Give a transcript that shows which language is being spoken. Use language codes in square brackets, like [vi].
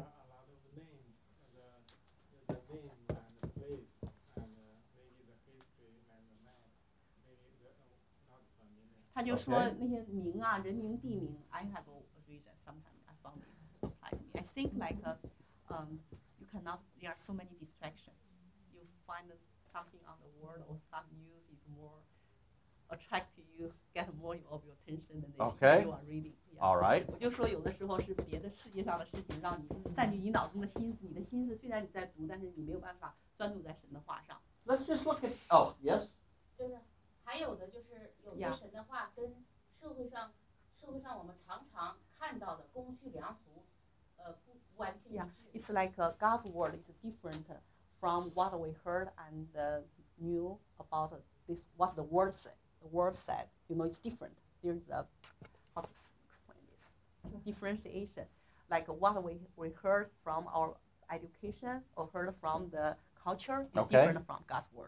[en] A lot of the names, the name and the place, and maybe the history and the man, maybe not familiar. [zh] 他就说那些名啊，人名、地名。 [en] I have a reason. Sometimes I found it like me. I think like you cannot. There are so many distractions. You find something on the world or some news is more attractive. You get more of your attention than you are reading. All right. [zh] 我就说有的时候是别的世界上的事情让你占据你脑中的心思。你的心思虽然你在读，但是你没有办法专注在神的话上。 [en] Let's just look at. Oh, yes. [zh] 就是还有的就是有些神的话跟社会上我们常常看到的公序良俗，不完全一致。 [en] Yeah, it's like God's word is different from what we heard and knew about this. What the word said. The word said. You know, it's different. There's a how to explain this differentiation, like what we heard from our education or heard from the culture is different from God's word.